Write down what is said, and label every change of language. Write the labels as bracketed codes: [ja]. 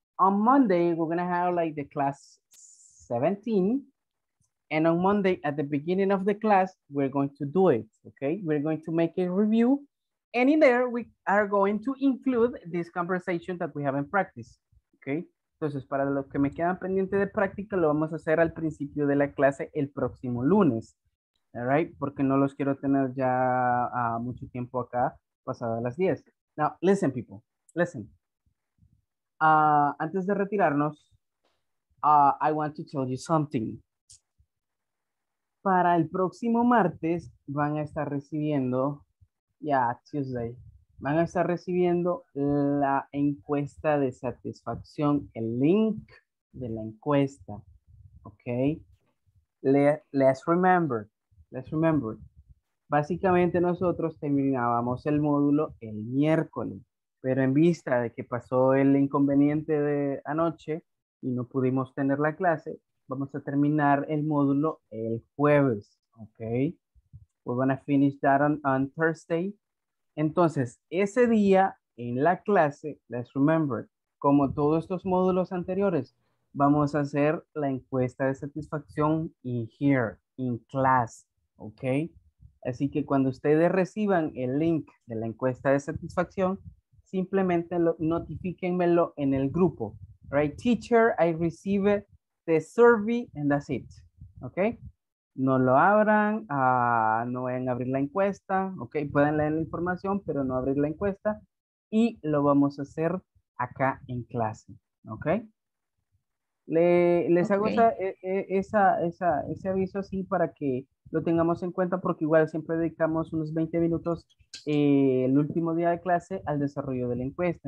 [en] On Monday, we're gonna have like the class 17. And on Monday, at the beginning of the class, we're going to do it, okay? We're going to make a review. And in there, we are going to include this conversation that we haven't practiced, okay? [es] Entonces, para los que me quedan pendiente de práctica, lo vamos a hacer al principio de la clase el próximo lunes, [en] all right? [es] Porque no los quiero tener ya mucho tiempo acá, pasado a las 10. [en] Now, listen, people, listen. [es] Antes de retirarnos, [en] I want to tell you something. [es] Para el próximo martes van a estar recibiendo, Tuesday, van a estar recibiendo la encuesta de satisfacción, el link de la encuesta, ¿ok? [en] Let's remember. [es] Básicamente nosotros terminábamos el módulo el miércoles. Pero en vista de que pasó el inconveniente de anoche y no pudimos tener la clase, vamos a terminar el módulo el jueves, ¿ok? [en] We're gonna finish that on Thursday. [es] Entonces, ese día en la clase, [en] let's remember, [es] como todos estos módulos anteriores, vamos a hacer la encuesta de satisfacción [en] in here, in class, [es] ¿ok? Así que cuando ustedes reciban el link de la encuesta de satisfacción, simplemente notifíquenmelo en el grupo. [en] Right, teacher, I receive the survey and that's it. [es] Ok, no lo abran, no vayan a abrir la encuesta. Ok, pueden leer la información, pero no abrir la encuesta. Y lo vamos a hacer acá en clase. Ok, les hago ese aviso así para que lo tengamos en cuenta porque igual siempre dedicamos unos 20 minutos el último día de clase al desarrollo de la encuesta.